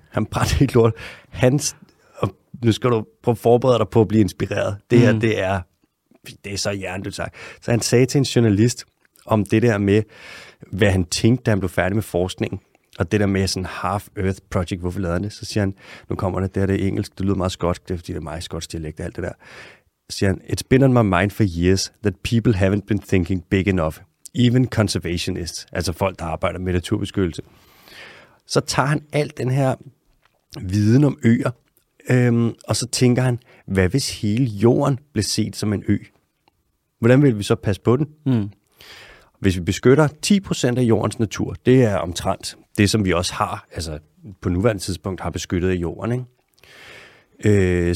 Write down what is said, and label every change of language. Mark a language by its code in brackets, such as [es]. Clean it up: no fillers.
[da] Han brændte helt lortet. Og nu skal du prøve at forberede dig på at blive inspireret. Det her, det er så hjernen, du tager. Så han sagde til en journalist, om det der med, hvad han tænkte, da han blev færdig med forskningen, og det der med sådan Half-Earth Project, hvorfor lavede han det? Så siger han, nu kommer det, det er engelsk, det lyder meget skotsk, det er fordi det er meget skotsk dialekt og alt det der. Så siger han, [en] it's been on my mind for years, that people haven't been thinking big enough, even conservationists, [da] altså folk, der arbejder med naturbeskyttelse. Så tager han alt den her viden om øer, og så tænker han, hvad hvis hele jorden blev set som en ø? Hvordan vil vi så passe på den? Mm. Hvis vi beskytter 10% af jordens natur, det er omtrent det, som vi også har, altså på nuværende tidspunkt har beskyttet af jorden, ikke?